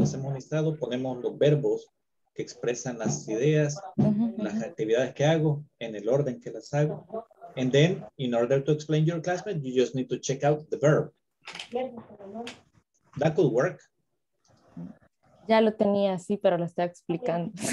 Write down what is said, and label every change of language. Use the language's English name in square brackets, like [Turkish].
[Spanish] Hacemos un listado, ponemos los verbos que expresan las ideas, las actividades que hago, en el orden que las hago. [English] And then, in order to explain your classmate, you just need to check out the verb. That could work. [Spanish] Ya lo tenía así, pero lo estaba explicando.